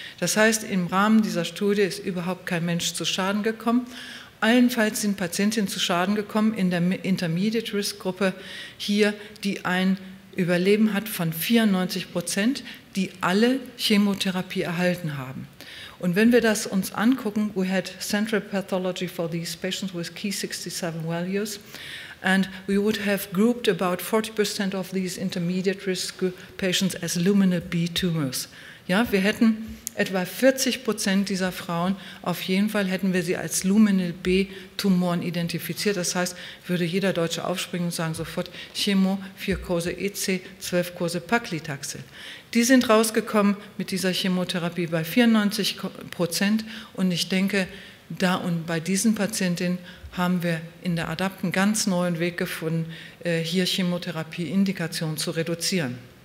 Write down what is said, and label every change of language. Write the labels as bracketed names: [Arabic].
[German] Das heißt, im Rahmen dieser Studie ist überhaupt kein Mensch zu Schaden gekommen. Allenfalls sind Patientinnen zu Schaden gekommen in der Intermediate-Risk-Gruppe hier, die ein Überleben hat von 94%, die alle Chemotherapie erhalten haben. Und wenn wir das uns angucken, [English] we had central pathology for these patients with key 67 values and we would have grouped about 40% of these intermediate risk patients as luminal B tumors. [German] Ja, wir hätten etwa 40% dieser Frauen, auf jeden Fall hätten wir sie als luminal B Tumoren identifiziert. Das heißt, würde jeder Deutsche aufspringen und sagen sofort Chemo, 4 Kurse EC, 12 Kurse Paclitaxel. Die sind rausgekommen mit dieser Chemotherapie bei 94% und ich denke, da und bei diesen Patientinnen haben wir in der ADAPT einen ganz neuen Weg gefunden, hier Chemotherapie-Indikation zu reduzieren.